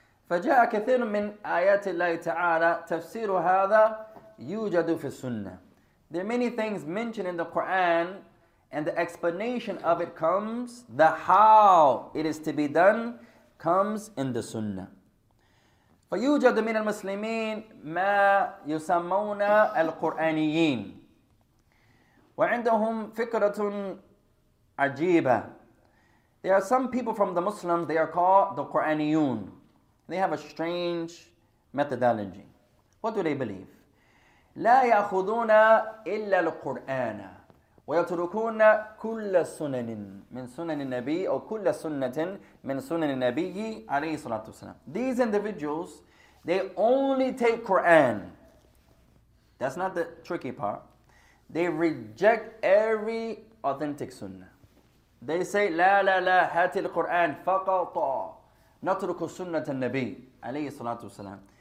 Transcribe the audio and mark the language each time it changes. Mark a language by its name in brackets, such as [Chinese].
[Arabic] فَجَاءَ كَثِيرٌ مِّنْ آيَاتِ اللَّهِ تَعَالَى تَفْسِيرُ هَذَا يُوجَدُ فِي السُنَّةِ. [English] There are many things mentioned in the Qur'an, and the explanation of it comes, the how it is to be done, comes in the sunnah. [Arabic] فيوجد من المسلمين ما يسمون القرآنيين وعندهم فكرة عجيبة. [English] There are some people from the Muslims, they are called the Qur'aniyun. They have a strange methodology. What do they believe? [Arabic] لا يأخذون إلا القرآن ويتركون كل سنن من سنن النبي أو كل سنة من سنن النبي عليه الصلاة والسلام. [English] These individuals, They only take Quran. That's not the tricky part. They reject every authentic sunnah. They say, [Arabic] لا لا لا هات القرآن فقط نترك سنة النبي عليه الصلاة والسلام.